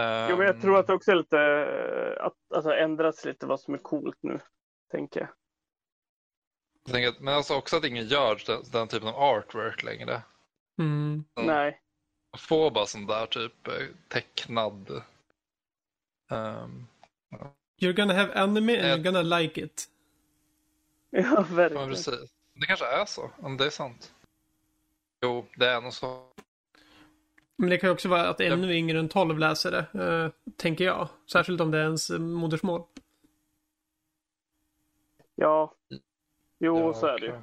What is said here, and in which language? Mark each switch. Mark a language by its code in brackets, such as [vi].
[sv] Jo, men jag tror att det också är lite... Alltså ändrats lite vad som är coolt nu, tänker jag. Men alltså också att ingen gör den typen av artwork längre. Mm. Nej. Få bara sån där typ tecknad. [en] You're gonna have anime and you're gonna like it. [sv] Ja, verkligen. Ja, precis. Det kanske är så, om det är sant. Jo, det är nog så. Men det kan ju också vara att ännu yngre än 12 läser det, tänker jag. Särskilt om det är ens modersmål. Ja. Jo, ja, så är det